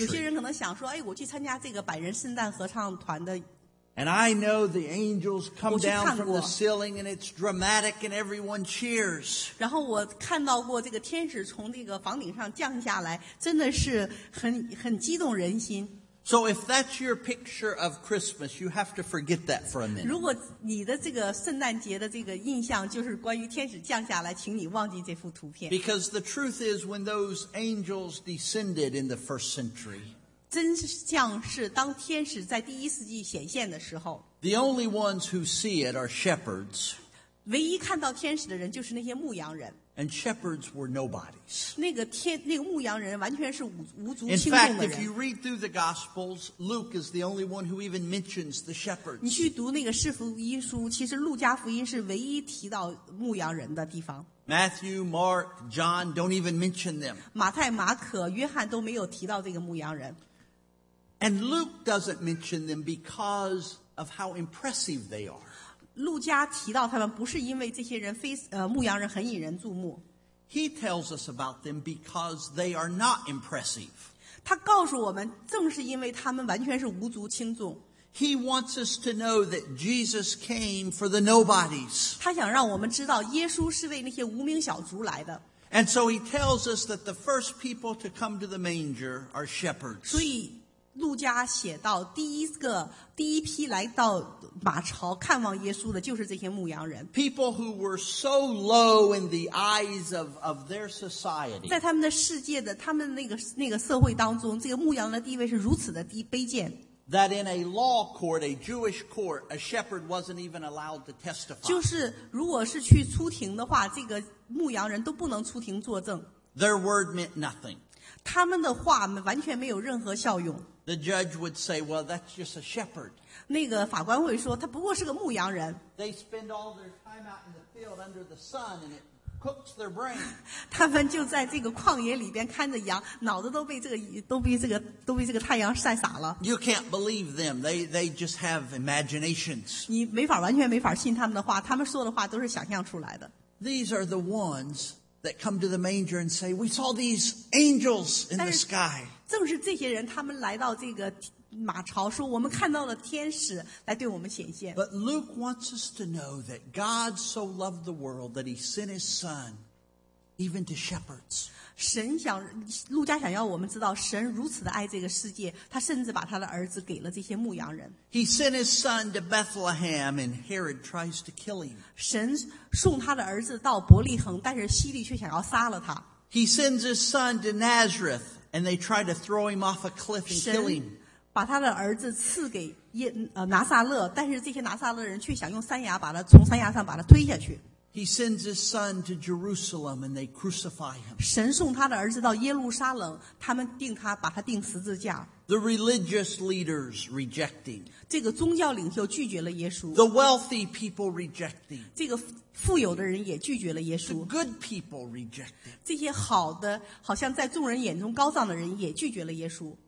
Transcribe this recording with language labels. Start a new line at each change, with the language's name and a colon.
Chinese: 有些人可能想说，哎，我去参加这个百人圣诞合唱团的。
English: And I know the angels come down from the ceiling and it's dramatic and everyone cheers.
Chinese: 然后我看到过这个天使从这个房顶上降下来，真的是很激动人心。
English: So if that's your picture of Christmas, you have to forget that for a minute.
Chinese: 如果你的这个圣诞节的这个印象就是关于天使降下来，请你忘记这幅图片。
English: Because the truth is, when those angels descended in the first century,
Chinese: 真相是当天使在第一世纪显现的时候，
English: the only ones who see it are shepherds.
Chinese: 唯一看到天使的人就是那些牧羊人。
English: And shepherds were nobodies.
Chinese: 那个牧羊人完全是无足轻重的人。
English: In fact, if you read through the Gospels, Luke is the only one who even mentions the shepherds.
Chinese: 你去读那个士福音书，其实路加福音是唯一提到牧羊人的地方。
English: Matthew, Mark, John don't even mention them.
Chinese: 马太、马可、约翰都没有提到这个牧羊人。
English: And Luke doesn't mention them because of how impressive they are.
Chinese: 路加提到他们不是因为这些人牧羊人很引人注目。
English: He tells us about them because they are not impressive.
Chinese: 他告诉我们正是因为他们完全是无足轻重。
English: He wants us to know that Jesus came for the nobodies.
Chinese: 他想让我们知道耶稣是为那些无名小卒来的。
English: And so he tells us that the first people to come to the manger are shepherds.
Chinese: 所以路加写到第一批来到马槽看望耶稣的就是这些牧羊人。
English: People who were so low in the eyes of their society.
Chinese: 在他们的世界的他们那个社会当中这个牧羊的地位是如此的低卑贱。
English: That in a law court, a Jewish court, a shepherd wasn't even allowed to testify.
Chinese: 就是如果是去出庭的话这个牧羊人都不能出庭作证。
English: Their word meant nothing.
Chinese: 他们的话完全没有任何效用。
English: The judge would say, well, that's just a shepherd.
Chinese: 那个法官会说他不过是个牧羊人。
English: They spend all their time out in the field under the sun and it cooks their brain.
Chinese: 他们就在这个旷野里边看着羊脑子都被这个太阳晒傻了。
English: You can't believe them. They just have imaginations.
Chinese: 你没法完全没法信他们的话他们说的话都是想象出来的。
English: These are the ones that come to the manger and say, we saw these angels in the sky.
Chinese: 正是这些人他们来到这个马槽说我们看到了天使来对我们显现。
English: But Luke wants us to know that God so loved the world that he sent his son even to shepherds.
Chinese: 路加想要我们知道神如此的爱这个世界他甚至把他的儿子给了这些牧羊人。
English: He sent his son to Bethlehem and Herod tries to kill him.
Chinese: 神送他的儿子到伯利恒但是希律却想要杀了他。
English: He sends his son to Nazareth and they try to throw him off a cliff and kill him.
Chinese: 把他的儿子赐给拿撒勒但是这些拿撒勒人却想用山崖把他从山崖上把他推下去。
English: He sends his son to Jerusalem and they crucify him.
Chinese: 神送他的儿子到耶路撒冷他们定他把他定十字架。
English: The religious leaders rejecting.
Chinese: 这个宗教领袖拒绝了耶稣。
English: The wealthy people rejecting.
Chinese: 这个富有的人也拒绝了耶稣。
English: The good people rejecting.
Chinese: 这些好的好像在众人眼中高尚的人也拒绝了耶稣。